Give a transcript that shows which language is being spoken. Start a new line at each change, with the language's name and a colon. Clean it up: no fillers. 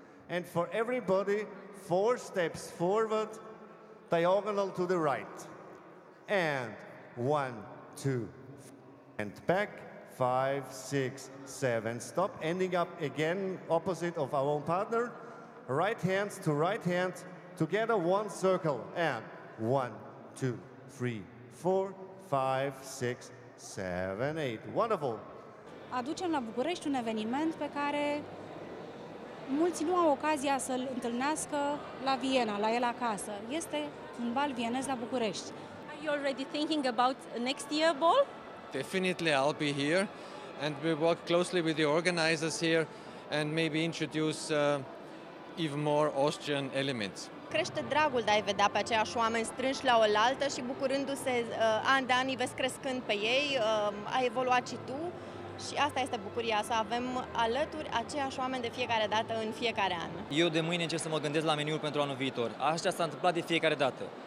English: And for everybody, four steps forward, diagonal to the right, and one, two, and back, five, six, seven, stop, ending up again opposite of our own partner, right hand to right hand, together, one circle, and one, two, three, four, five, six, seven, eight. Wonderful!
Romanian: Aducem la București un eveniment pe care mulți nu au ocazia să-l întâlnească la Viena, la el acasă. Este un bal vienez la București.
English: Are you already thinking about next year ball? Definitely, I'll be here. And we work closely with the organizers here and maybe introduce even more Austrian elements.
Romanian: Crește dragul de a-i vedea pe aceiași oameni strânși la oaltă și bucurându-se an de an, îi vezi crescând pe ei, a evoluat și tu. Și asta este bucuria, să avem alături aceiași oameni de fiecare dată în fiecare an. Eu de mâine încerc să mă gândesc la meniul pentru anul viitor. Așa s-a întâmplat de fiecare dată.